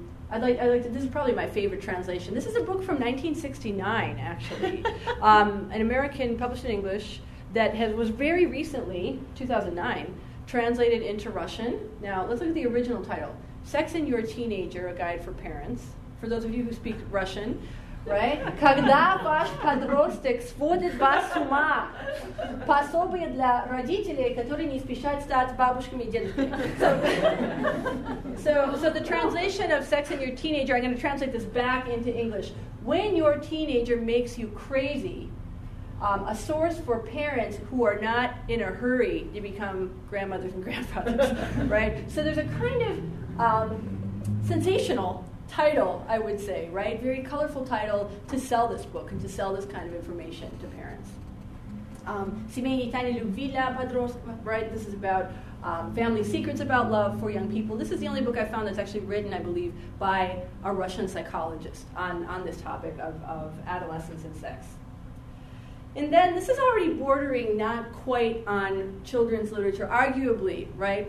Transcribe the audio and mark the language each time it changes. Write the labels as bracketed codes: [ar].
[en] This is probably my favorite translation. This is a book from 1969, actually. an American published in English that was very recently, 2009, translated into Russian. Now, let's look at the original title. Sex and Your Teenager, A Guide for Parents. For those of you who speak Russian, right? [ru] Когда ваш подросток сводит вас с ума, пособие для родителей, которые не спешат стать бабушками и дедушками. [en] So the translation of Sex and Your Teenager, I'm going to translate this back into English. When your teenager makes you crazy, a source for parents who are not in a hurry to become grandmothers and grandfathers, right? So there's a kind of sensational title, I would say, right? Very colorful title to sell this book and to sell this kind of information to parents. [ru] Семейные тайны любви для подростков, [en] right? This is about family secrets about love for young people. This is the only book I found that's actually written, I believe, by a Russian psychologist on this topic of adolescence and sex. And then this is already bordering not quite on children's literature, arguably, right?